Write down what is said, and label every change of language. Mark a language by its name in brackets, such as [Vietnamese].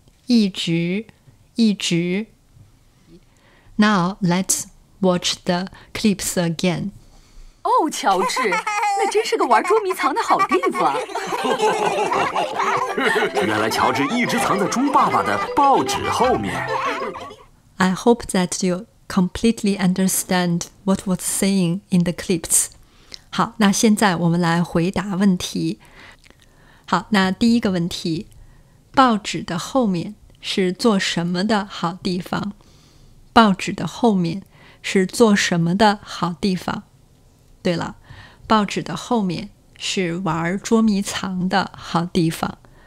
[Chinese] 一直，一直。 [English] Now, let's watch the clips again. [Chinese] 哦，乔治，那真是个玩捉迷藏的好地方。原来乔治一直藏在猪爸爸的报纸后面。 [English] I hope that you completely understand what was saying in the clips. [Chinese] 好，那现在我们来回答问题。好，那第一个问题，报纸的后面是做什么的好地方？报纸的后面是做什么的好地方？对了，报纸的后面是玩捉迷藏的好地方。